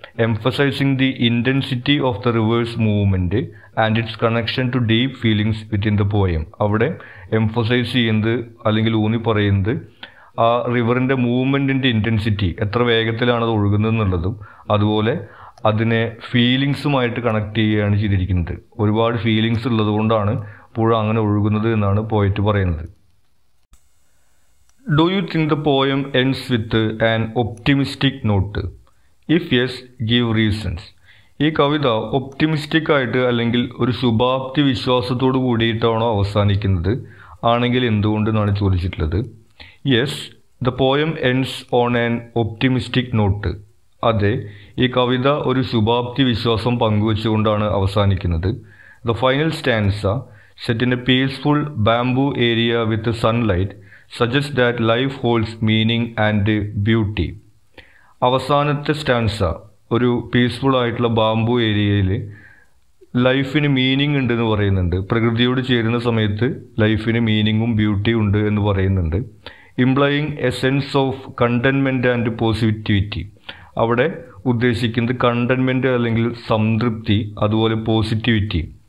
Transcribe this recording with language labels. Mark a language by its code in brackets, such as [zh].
[en] emphasising the intensity of the river's movement and its connection to deep feelings within the poem, [ml] അവിടെ emphasise ചെയ്യുന്നത് അല്ലെങ്കിൽ ഊന്നി പറയുന്നത് ആ റിവറിൻ്റെ മൂവ്മെൻറ്റിൻ്റെ ഇൻറ്റൻസിറ്റി, എത്ര വേഗത്തിലാണത് ഒഴുകുന്നതെന്നുള്ളതും, അതുപോലെ അതിനെ ഫീലിങ്സുമായിട്ട് കണക്ട് ചെയ്യുകയാണ് ചെയ്തിരിക്കുന്നത്. ഒരുപാട് ഫീലിങ്സ് ഉള്ളത് കൊണ്ടാണ് പുഴ അങ്ങനെ ഒഴുകുന്നത് എന്നാണ് പോയിട്ട് പറയുന്നത്. [en] Do you think the poem ends with an optimistic note? If yes, give reasons. [ml] ഈ കവിത ഒപ്റ്റിമിസ്റ്റിക് ആയിട്ട് അല്ലെങ്കിൽ ഒരു ശുഭാപ്തി വിശ്വാസത്തോടു കൂടിയിട്ടാണോ അവസാനിക്കുന്നത്, ആണെങ്കിൽ എന്തുകൊണ്ടെന്നാണ് ചോദിച്ചിട്ടുള്ളത്. [en] Yes, the poem ends on an optimistic note. [ml] അതെ, ഈ കവിത ഒരു ശുഭാപ്തി വിശ്വാസം പങ്കുവച്ചുകൊണ്ടാണ് അവസാനിക്കുന്നത്. [en] The final stanza, set in a peaceful bamboo area with sunlight, suggests that life holds meaning and beauty. [ml] അവസാനത്തെ സ്റ്റാൻസ, ഒരു പീസ്ഫുൾ ആയിട്ടുള്ള ബാംബു ഏരിയയിൽ ലൈഫിന് മീനിങ് ഉണ്ടെന്ന് പറയുന്നുണ്ട്. പ്രകൃതിയോട് ചേരുന്ന സമയത്ത് ലൈഫിന് മീനിങ്ങും ബ്യൂട്ടിയും ഉണ്ട് എന്ന് പറയുന്നുണ്ട്. [en] implying a sense of contentment and positivity, [ml] അവിടെ ഉദ്ദേശിക്കുന്നത് കണ്ടെൻമെൻ്റ് അല്ലെങ്കിൽ സംതൃപ്തി, അതുപോലെ പോസിറ്റിവിറ്റി.